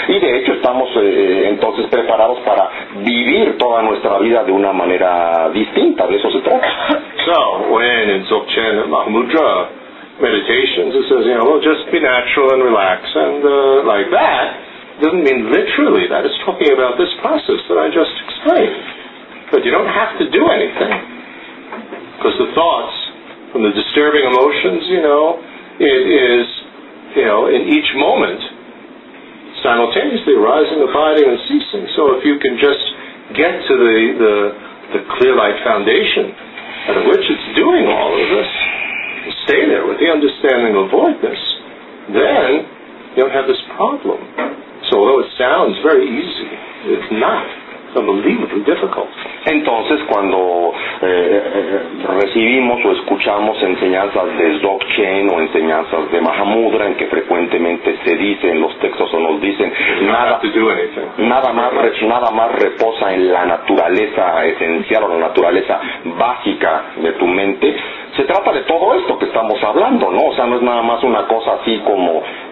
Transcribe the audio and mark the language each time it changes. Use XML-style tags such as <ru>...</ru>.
<es>Y de hecho estamos entonces preparados para vivir toda nuestra vida de una manera distinta, de eso se trata.</es> <en>So, when in Dzogchen and Mahamudra meditations, it says, just be natural and relax and like that, doesn't mean literally that. It's talking about this process that I just explained. But you don't have to do anything. Because the thoughts and the disturbing emotions, it is in each moment, simultaneously arising, abiding, and ceasing. So if you can just get to the clear light foundation, out of which it's doing all of this, stay there with the understanding of voidness, then you don't have this problem. So although it sounds very easy, it's not. Unbelievably difficult.</en> <es>Entonces, cuando recibimos o escuchamos enseñanzas de Dzogchen o enseñanzas de Mahamudra, en que frecuentemente se dice en los textos o nos dicen, nada más reposa en la naturaleza esencial o la naturaleza básica de tu mente, se trata de todo esto que estamos hablando, ¿no? O sea, no es nada más una cosa así como...</es>